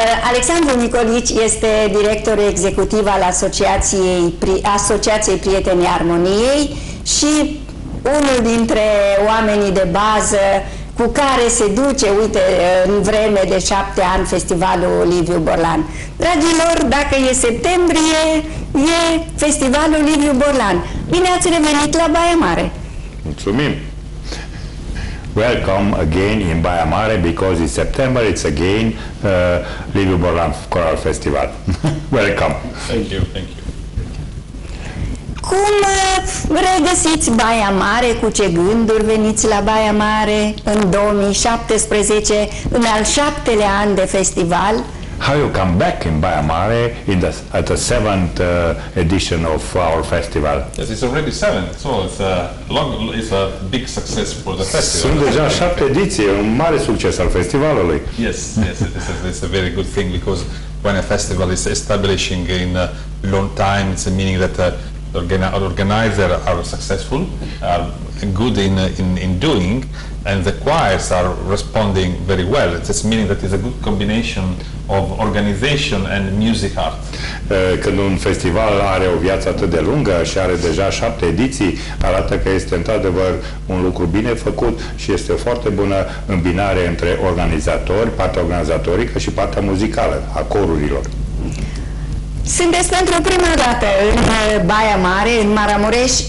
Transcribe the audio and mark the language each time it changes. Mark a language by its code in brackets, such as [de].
[ro] Alexandru Nicolici este director executiv al Asociației Prietenii Armoniei și unul dintre oamenii de bază cu care se duce, uite, în vreme de 7 ani, Festivalul Liviu Borlan. Dragilor, dacă e septembrie, e Festivalul Liviu Borlan. Bine ați revenit la Baia Mare! Mulțumim! [en] Welcome again in Baia Mare, because in September it's again Liviu Borlan Choral Festival. Welcome! Thank you, thank you! [ro] Cum regăsiți Baia Mare? Cu ce gânduri veniți la Baia Mare în 2017, în al 7-lea an de festival? [en] How you come back in Baia Mare in the, at the 7th edition of our festival? Yes, it's already 7th, so it's a long, it's a big success for the festival. [ro] Sunt deja 7 ediții, un mare succes al festivalului. [en] Yes, yes, it's a very good thing, because when a festival is establishing in a long time, it's a meaning that organizer are successful, are good in doing, and the choirs are responding very well. It's meaning that it's a good combination of organization and music art. [ro] Când un festival are o viață atât de lungă și are deja 7 ediții, arată că este într-adevăr un lucru bine făcut și este o foarte bună îmbinare între organizatori, partea organizatorică și partea muzicală a corurilor. Sunteți pentru prima dată în Baia Mare, în Maramureș?